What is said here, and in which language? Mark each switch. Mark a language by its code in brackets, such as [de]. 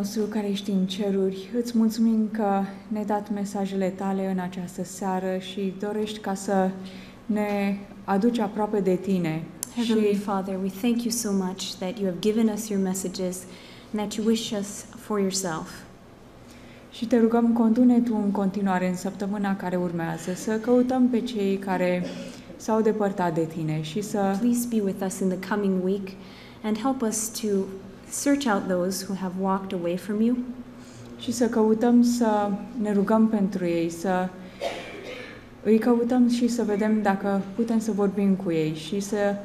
[ro] Care ești în ceruri, îți mulțumim că ne-ai dat mesajele tale în această seară și dorești ca să ne aduci aproape de tine. [en] Heavenly Father, we thank you so much that you have given us your messages and that you wish us for yourself. [ro] Și te rugăm, condu-ne tu în continuare în săptămâna care urmează, să căutăm pe cei care s-au depărtat de tine și să... [en] Please be with us in the coming week and help us to search out those who have walked away from you. [ro] Și să căutăm să ne rugăm pentru ei, să îi căutăm și să vedem dacă putem să vorbim cu ei și să...